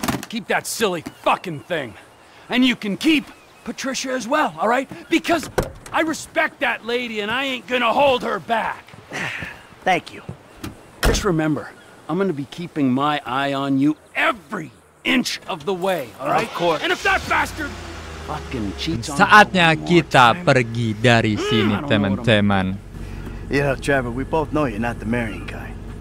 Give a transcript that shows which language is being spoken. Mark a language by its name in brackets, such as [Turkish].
[English] Keep that silly fucking thing, and you can keep Patricia as well, all right? Because I respect that lady and I ain't gonna hold her back. Thank you. Just remember, I'm gonna be keeping my eye on you every inch of the way, all right? Of course. And if that bastard fucking cheats on [Indonesian] me, saatnya kita pergi dari sini, teman-teman. [English] You know, Trevor, we both know you're not the marrying guy.